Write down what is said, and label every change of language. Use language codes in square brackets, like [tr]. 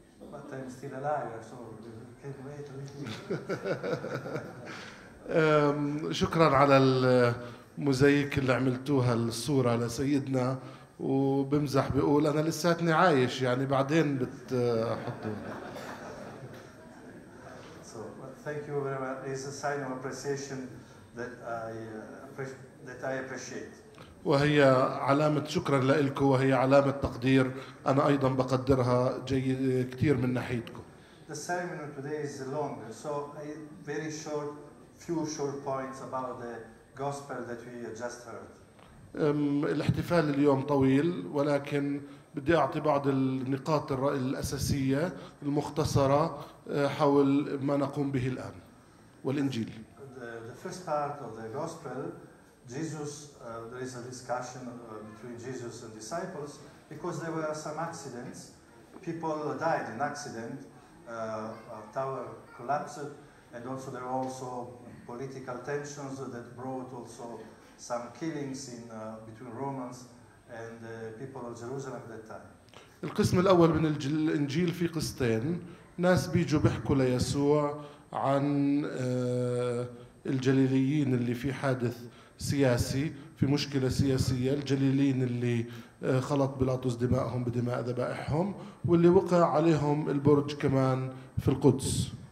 [en] But I'm still alive, so can't wait with me. [ar] شكرا على مزيك اللي عملتوها الصورة لسيدنا، وبمزح بيقول أنا لساتني عايش يعني بعدين بتحطوا. [en] So thank you very much. It's a sign of appreciation that I appreciate. [ar] وهي علامة شكرا لإلكم، وهي علامة تقدير أنا أيضا بقدرها جيد كتير من ناحيتكم. [en] The ceremony today is long, so very short, few short points about the gospel that we just heard. [ar] الاحتفال اليوم طويل، ولكن بدي أعطي بعض النقاط الأساسية المختصرة حول ما نقوم به الآن والإنجيل. [en] The first part of the gospel, Jesus, there is a discussion between Jesus and disciples because there were some accidents. People died in accident. A tower collapsed, and also there were also political tensions that brought also some killings in between Romans and the people of Jerusalem at that time. [ar] القسم الأول من الإنجيل في قسطين، ناس بيجوا بيحكوا ليسوع عن الجليليين اللي في حادث سياسي، في مشكلة سياسية، الجليليين اللي خلط بيلاطس دماءهم بدماء ذبائحهم، واللي وقع عليهم البرج كمان في القدس.